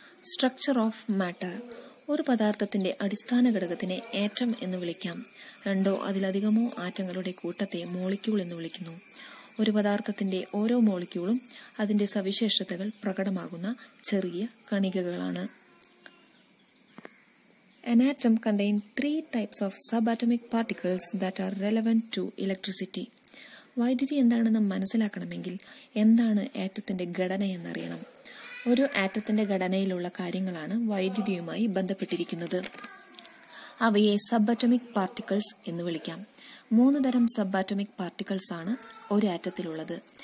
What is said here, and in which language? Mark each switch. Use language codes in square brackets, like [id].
[en] Structure of matter. [ml] ഒരു പദാർത്ഥത്തിൻ്റെ അടിസ്ഥാന ഘടകത്തിനെ atom എന്ന് വിളിക്കാം. രണ്ടോ അതിലധികമോ ആറ്റങ്ങളുടെ കൂട്ടത്തെ മോളിക്യൂൾ എന്ന് വിളിക്കുന്നു. ഒരു പദാർത്ഥത്തിൻ്റെ ഓരോ മോളിക്യൂളും അതിൻ്റെ സവിശേഷതകൾ പ്രകടമാകുന്ന ചെറിയ കണികകളാണ്. [en] An atom contains three types of subatomic particles that are relevant to electricity. [ml] വൈദ്യുതി എന്താണെന്ന് മനസ്സിലാക്കണമെങ്കിൽ എന്താണ് ആറ്റത്തിൻ്റെ ഘടന എന്നറിയണം. ഒരു ആറ്റത്തിൻ്റെ ഘടനയിലുള്ള കാര്യങ്ങളാണ് വൈദ്യുതിയുമായി ബന്ധപ്പെട്ടിരിക്കുന്നത്. അവയെ സബ്ബറ്റമിക് പാർട്ടിക്കിൾസ് എന്ന് വിളിക്കാം. മൂന്ന് തരം സബ്ബറ്റമിക് പാർട്ടിക്കിൾസ് ആണ് ഒരു ആറ്റത്തിലുള്ളത്.